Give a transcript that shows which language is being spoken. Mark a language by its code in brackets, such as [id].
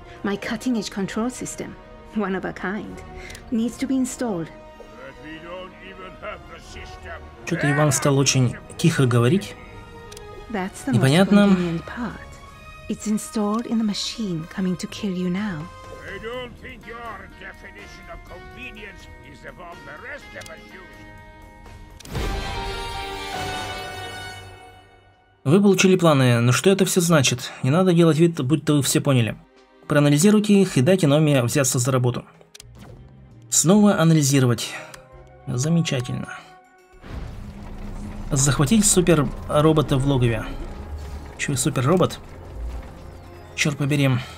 [en] My cutting-edge control system, one of a kind, needs to be installed. But we don't even have the system. [ru] Что-то Иван стал очень тихо говорить. [en] That's the [ru] непонятно. [en] Most convenient part. It's installed in the machine coming to kill you now. I don't think your definition of convenience is above the rest of us. [ru] Вы получили планы, но что это все значит? Не надо делать вид, будто вы все поняли. Проанализируйте их и дайте Номи взяться за работу. Снова анализировать. Замечательно. Захватить супер-робота в логове. Че, супер-робот? Черт побери.